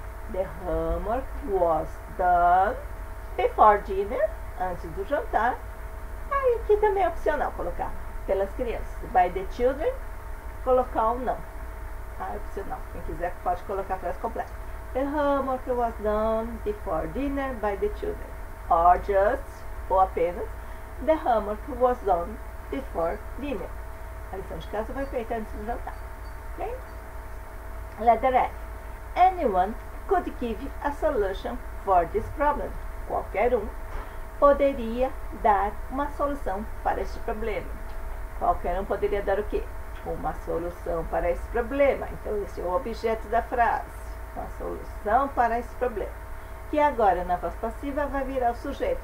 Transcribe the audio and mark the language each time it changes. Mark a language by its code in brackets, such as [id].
[en] The homework was done before dinner, [pt] antes do jantar. Aí, aqui também é opcional colocar pelas crianças. [en] By the children, [pt] colocar ou não. Ah, é opcional. Quem quiser pode colocar a frase completa. [en] The homework was done before dinner by the children. Or just, [pt] ou apenas, [en] the homework was done before dinner. [pt] A lição de casa foi feita antes do jantar. [en] Ok? Letter F. Anyone could give a solution for this problem. [pt] Qualquer um poderia dar uma solução para este problema. Qualquer um poderia dar o quê? Uma solução para esse problema. Então, esse é o objeto da frase. Uma solução para esse problema. Que agora, na voz passiva, vai virar o sujeito.